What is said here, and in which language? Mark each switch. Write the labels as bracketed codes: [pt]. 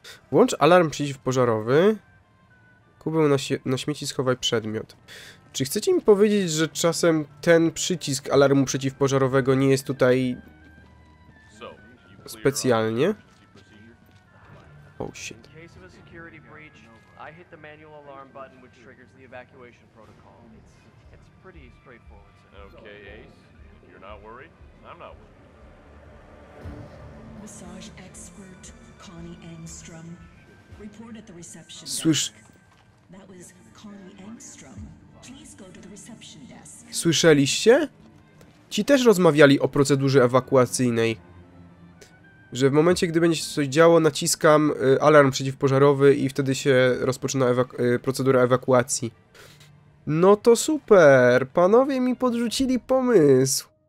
[pl] Włącz alarm przeciwpożarowy. Kubę na śmieci schowaj przedmiot. Czy chcecie mi powiedzieć, że czasem ten przycisk alarmu przeciwpożarowego nie jest tutaj... specjalnie? [en] Oh shit. In case of a security breach, I hit the manual alarm button which triggers the evacuation protocol. It's pretty straightforward. Okay, Ace. You're not worried? I'm not worried. Massage expert Connie Engstrom. Report at the reception desk. [pl] Słysz... [en] That was Connie Engstrom. Please go to the reception desk. [pl] Słyszeliście? Ci też rozmawiali o procedurze ewakuacyjnej. Że w momencie, gdy będzie się coś działo, naciskam alarm przeciwpożarowy i wtedy się rozpoczyna procedura ewakuacji. No to super! Panowie mi podrzucili pomysł.